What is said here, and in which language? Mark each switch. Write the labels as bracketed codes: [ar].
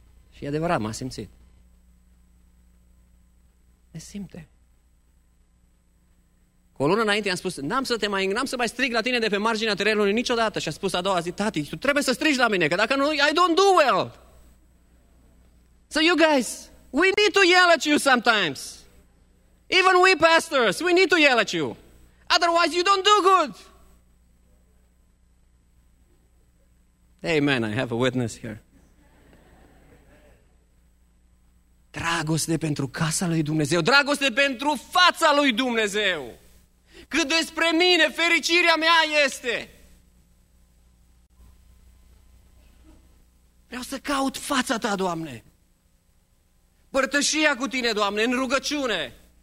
[ro] Și e adevărat, m-a simțit. Ne simte. Cu o lună înainte i-am spus, n-am să mai strig la tine de pe marginea terenului niciodată. Și a spus a doua zi, tati, tu trebuie să strigi la mine, că dacă nu, [en] I don't do well. So you guys, we need to yell at you sometimes. Even we pastors, we need to yell at you. Otherwise, you don't do good. Amen, I have a witness here. [ro] Dragoste pentru casa lui Dumnezeu, dragoste pentru fața lui Dumnezeu. Cât despre mine, fericirea mea este. Vreau să caut fața ta, Doamne. Părtășia cu tine, Doamne, în rugăciune.